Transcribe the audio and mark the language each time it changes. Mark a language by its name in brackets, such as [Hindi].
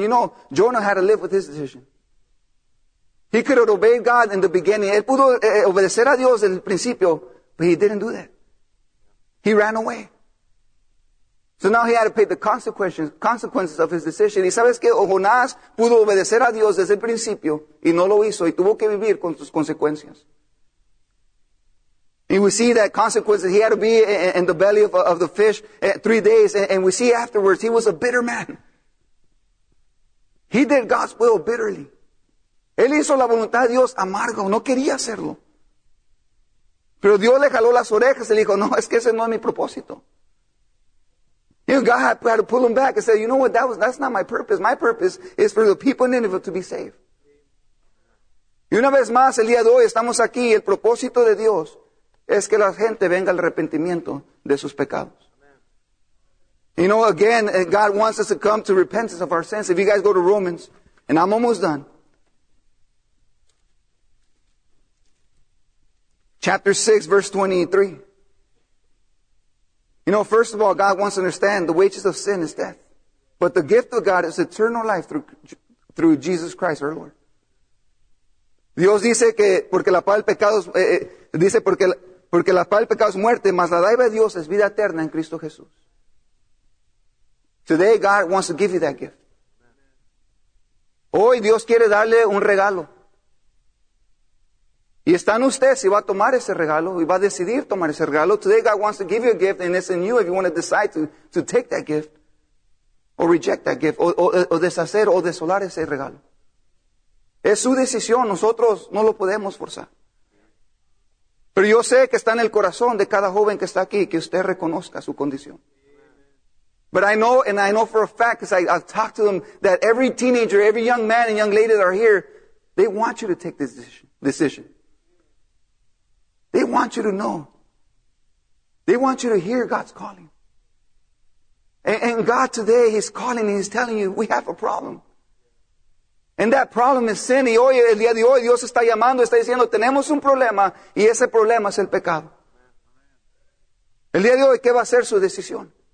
[English] You know, Jonah had to live with his decision. He could have obeyed God in the beginning. [Spanish] Él pudo obedecer a Dios en el principio, [English] but he didn't do that. He ran away. So now he had to pay the consequences of his decision. [Spanish] Y sabes que Jonás pudo obedecer a Dios desde el principio y no lo hizo y tuvo que vivir con sus consecuencias. [English] And we see that consequences. He had to be in the belly of the fish 3 days. And we see afterwards he was a bitter man. He did God's will bitterly. [Spanish] Él hizo la voluntad de Dios amargo. No quería hacerlo. Pero Dios le jaló las orejas y le dijo, no, es que ese no es mi propósito. [English] You know, God had to pull him back and say, you know what, that's not my purpose. My purpose is for the people in Nineveh to be saved. [Spanish] Y una vez más, el día de hoy, estamos aquí. El propósito de Dios es que la gente venga al arrepentimiento de sus pecados. [English] Amen. You know, again, God wants us to come to repentance of our sins. If you guys go to Romans, and I'm almost done. Chapter 6, verse 23. You know, first of all, God wants to understand the wages of sin is death. But the gift of God is eternal life through Jesus Christ, our Lord. [Spanish] Dios dice que, porque la paga del pecado es, dice porque la paga del pecado es muerte, mas la dádiva de Dios es vida eterna en Cristo Jesús. [English] Today, God wants to give you that gift. [Spanish] Hoy, Dios quiere darle un regalo. Y está en usted si va a tomar ese regalo y va a decidir tomar ese regalo. [English] Today God wants to give you a gift and it's in you if you want to decide to take that gift or reject that gift [Spanish] o deshacer o desolar ese regalo. Es su decisión. Nosotros no lo podemos forzar. Pero yo sé que está en el corazón de cada joven que está aquí que usted reconozca su condición. [English] But I know and I know for a fact because I've talked to them that every teenager, every young man and young lady that are here, they want you to take this decision. They want you to know They want you to hear God's calling. And God today, He's calling and He's telling you, we have a problem. And that problem is sin. [Spanish] Y hoy, el día de hoy, Dios está llamando, está diciendo, tenemos un problema, y ese problema es el pecado. El día de hoy, ¿qué va a ser su decisión?